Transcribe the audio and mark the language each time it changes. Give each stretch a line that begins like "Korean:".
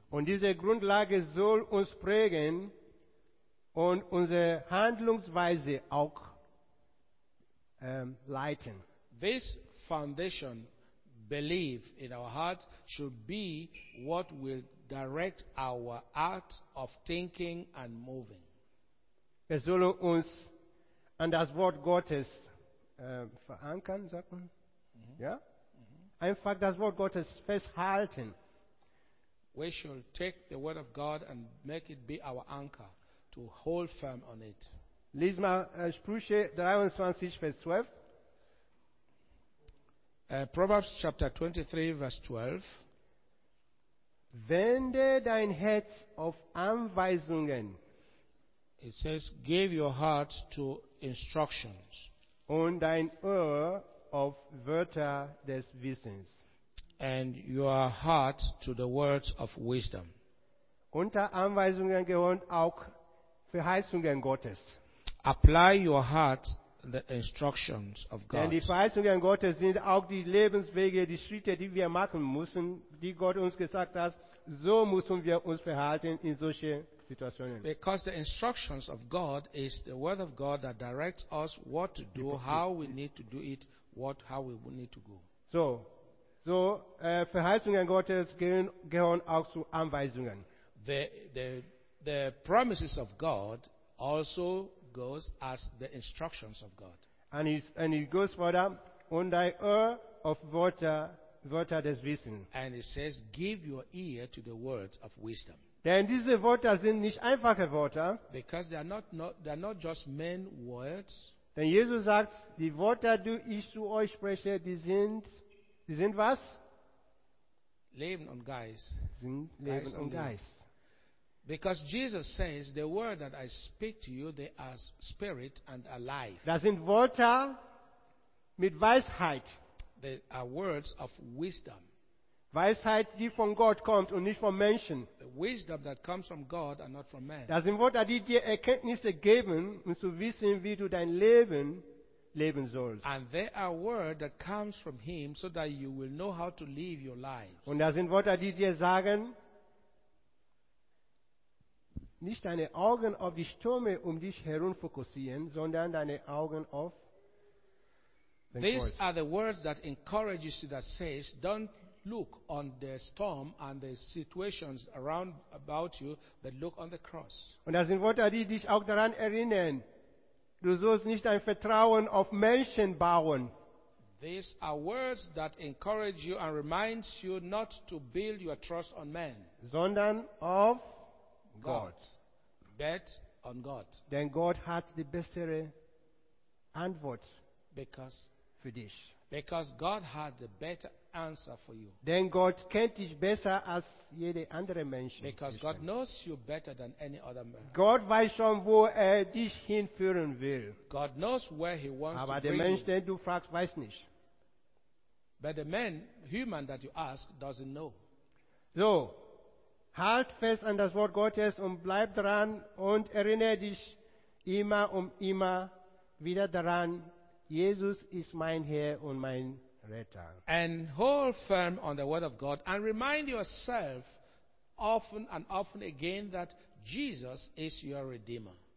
German: Und diese Grundlage soll uns prägen und unsere Handlungsweise auch leiten.
English: This foundation, belief in our heart, should be what will direct our act of thinking and moving.
German: Es soll uns an das Wort Gottes verankern, sagt man. Ja? Einfach das Wort Gottes festhalten.
English: We shall take the word of God and make it be our anchor to hold firm on it.
German: Lies mal Sprüche 23, Vers 12.
English: Proverbs chapter 23,
German: Vers 12. Wende dein Herz auf Anweisungen.
English: It says, give your heart to instructions.
German: Und dein Ohr of Wörter des Wissens.
English: And your heart to the words of wisdom.
German: Unter Anweisungen gehören auch Verheißungen Gottes.
English: Apply your heart the instructions of God.
German: Denn die Verheißungen Gottes sind auch die Lebenswege, die Schritte, die wir machen müssen, die Gott uns gesagt hat, so müssen wir uns verhalten in solche Situationen.
English: Because the instructions of God is the word of God that directs us what to do, how we need to do it, how we need to go.
German: So, Verheißungen Gottes gehören auch zu Anweisungen.
English: The promises of God also goes as the instructions of God. And he goes further,
German: und dein Ohr auf Wörter des Wissens.
English: And it says, give your ear to the words of wisdom.
German: Denn diese Wörter sind nicht einfache Wörter.
English: Because they are not just men words.
German: Denn Jesus sagt, die Worte, die ich zu euch spreche, die sind was? Leben und Geist. Sind Leben und Geist.
English: Because Jesus says, the word that I speak to you, they are spirit and alive.
German: Das sind Worte mit Weisheit.
English: They are words of wisdom.
German: Weisheit, die von Gott kommt und nicht von Menschen.
English: The wisdom that comes from God and not from man.
German: Das sind Worte, die dir Erkenntnisse geben, um zu wissen, wie du dein Leben leben sollst.
English: And they are words that comes from him so that you will know how to live your life.
German: Und das sind Worte, die dir sagen, nicht deine Augen auf die Stürme um dich herum fokussieren, sondern deine Augen auf
English: These are the words that encourages you, that says, don't look on the storm and the situations around about you, but look on the cross.
German: Und das sind Worte, die dich auch daran erinnern. Du sollst nicht dein Vertrauen auf Menschen bauen.
English: These are words that encourage you and reminds you not to build your trust on man,
German: sondern auf God.
English: Bet on God.
German: Denn Gott hat die bessere Antwort
English: because
German: für dich.
English: Because God had the better answer for you.
German: Denn Gott kennt dich besser als jede andere Mensch.
English: Because God knows you better than any other man.
German: Gott weiß schon, wo er dich hinführen will.
English: God knows where he wants
German: Aber
English: to
German: der
English: bring
German: Mensch,
English: you.
German: Den du fragst, weiß nicht.
English: But the man, human that you ask, doesn't know.
German: So, halt fest an das Wort Gottes und bleib dran und erinnere dich immer und immer wieder daran, Jesus ist mein Herr und mein Retter.
English: And hold firm on the word of God and remind yourself often and often again that Jesus is your Redeemer.